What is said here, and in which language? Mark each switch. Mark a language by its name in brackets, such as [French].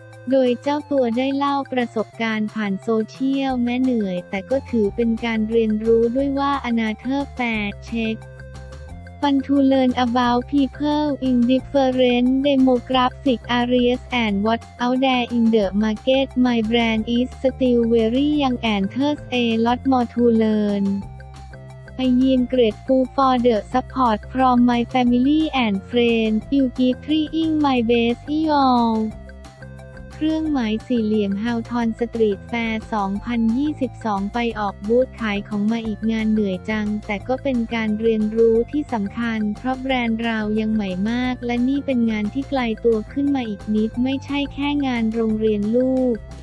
[Thai] โดยเจ้าตัวได้เล่าประสบการณ์ผ่านโซเชียลแม้เหนื่อยแต่ก็ถือเป็นการเรียนรู้ด้วยว่าอนาเธอร์แฟร์เช็ค [English] Fun to learn about people in different demographic areas and what's out there in the market. My brand is still very young and there's a lot more to learn. I am grateful for the support from my family and friends. You keep trying my best, y'all. [Thai] เครื่องหมายสี่เหลี่ยมฮาวทอนสตรีทแฟร์2022ไปออกบูธขายของมาอีกงานเหนื่อยจังแต่ก็เป็นการเรียนรู้ที่สำคัญเพราะแบรนด์เรายังใหม่มากและนี่เป็นงานที่ไกลตัวขึ้นมาอีกนิดไม่ใช่แค่งานโรงเรียนลูก